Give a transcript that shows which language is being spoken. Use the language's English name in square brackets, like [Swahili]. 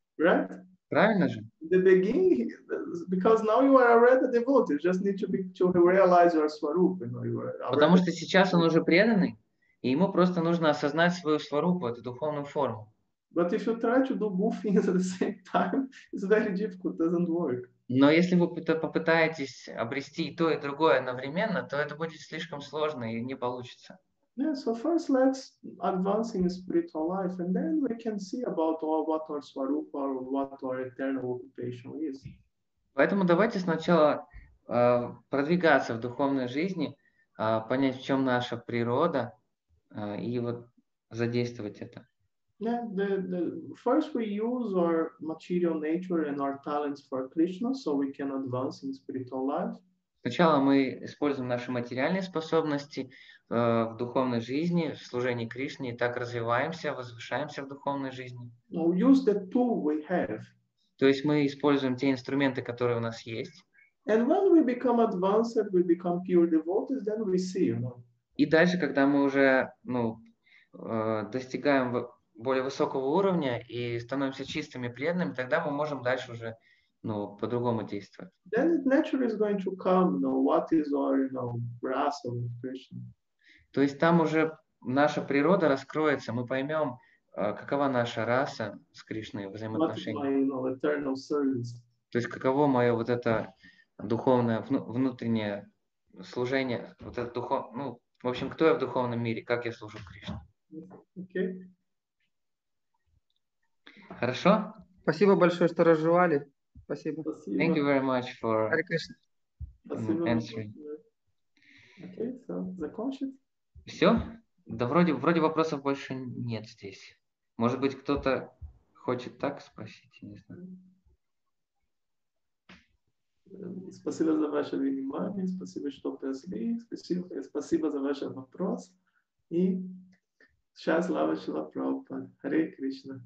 [English] Right? [Russian] Правильно же? [English] The beginning, because now you are already a devotee, you just need to realize your swarup. You know, you are already... [Russian] Потому что сейчас он уже преданный. И ему просто нужно осознать свою сварупу, эту духовную форму. [English] But if you try to do both things at the same time, it's very difficult, it doesn't work. [Russian] Но если вы попытаетесь обрести и то, и другое одновременно, то это будет слишком сложно и не получится. [English] Yeah, so first let's advance in spiritual life, and then we can see about all what our swarupa or what our eternal occupation is. [Russian] Поэтому давайте сначала продвигаться в духовной жизни, понять, в чем наша природа, и вот задействовать это. [English] Yeah, the first we use our material nature and our talents for Krishna, so we can advance in spiritual life. [Russian] Сначала мы используем наши материальные способности в духовной жизни, в служении Кришне, и так развиваемся, возвышаемся в духовной жизни. [English] Now use the tool we have. [Russian] То есть мы используем те инструменты, которые у нас есть. [English] And when we become advanced, we become pure devotees, then we see, you know. [Russian] И дальше, когда мы уже, ну, достигаем более высокого уровня и становимся чистыми преданными, тогда мы можем дальше уже, ну, по-другому действовать. [English] Then it naturally is going to come, you know, what is our, you know, rasa of Krishna. [Russian] То есть там уже наша природа раскроется, мы поймем, какова наша раса с Кришной, взаимоотношения. [English] What is my, you know, eternal service? [Russian] То есть каково мое вот это духовное, внутреннее служение, вот это духовное, ну, в общем, кто я в духовном мире, как я служу Кришне. [English] Okay. [Russian] Хорошо? Спасибо большое, что разжевали. Спасибо. [English] Thank you very much for answering. Okay, so, [Russian] закончить? Все? Да вроде вопросов больше нет здесь. Может быть, кто-то хочет так спросить, не знаю. Спасибо за ваше внимание, спасибо, что пришли, спасибо за ваш вопрос. И сейчас слава Шрила Прабхупаде. Харе Кришна.